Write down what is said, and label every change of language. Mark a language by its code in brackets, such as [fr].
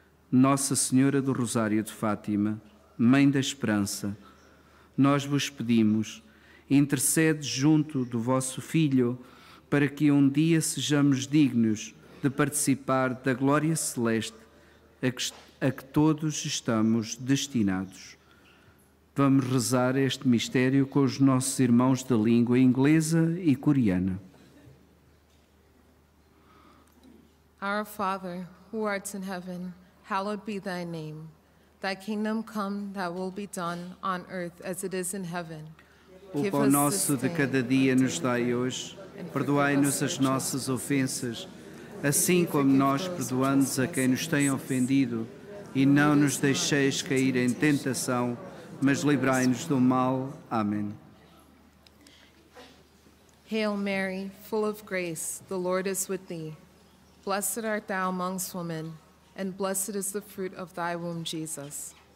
[pt] Nossa Senhora do Rosário de Fátima, Mãe da Esperança, nós vos pedimos, intercede junto do vosso Filho para que um dia sejamos dignos de participar da glória celeste a que todos estamos destinados. Vamos rezar este mistério com os nossos irmãos de língua inglesa e coreana. [en] Our Father, who art in heaven, hallowed be thy name. Thy kingdom come, thy will be done on earth as it is in heaven. [pt] O pão nosso de cada dia nos dai hoje. Perdoai-nos as nossas ofensas, assim como nós perdoamos a quem nos tem ofendido. E não nos deixeis cair em tentação, mas livrai-nos do mal. Amém. [en] Hail Mary, full of grace, the Lord is with thee. Blessed art thou amongst women, and blessed is the fruit of thy womb, Jesus.